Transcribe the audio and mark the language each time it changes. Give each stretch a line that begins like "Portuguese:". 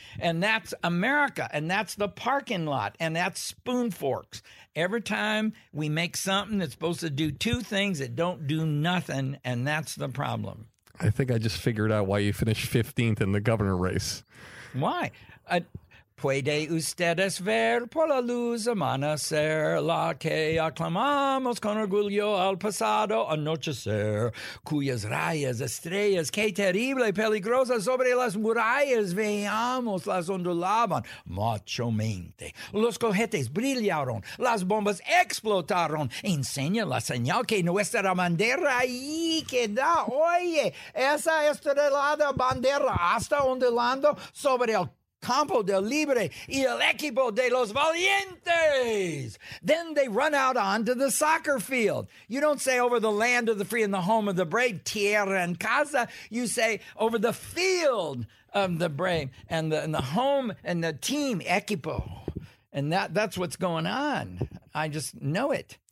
English: And that's America, and that's the parking lot, and that's spoon forks. Every time we make something that's supposed to do two things, it don't do nothing, and that's the problem. I think I just figured out why you finished 15th in the governor race. Why?
Spanish: Puede ustedes ver por la luz amanecer la que aclamamos con orgullo al pasado anochecer cuyas rayas estrellas que terrible peligrosas sobre las murallas veamos las ondulaban machomente. Los cohetes brillaron, las bombas explotaron, enseña la señal que nuestra bandera ahí queda. Oye, esa estrellada bandera hasta ondulando sobre el Campo del Libre y el equipo de los valientes.
English: Then they run out onto the soccer field. You don't say over the land of the free and the home of the brave,
Spanish: tierra en casa.
English: You say over the field of the brave and the home and the team, equipo. And that's what's going on. I just know it.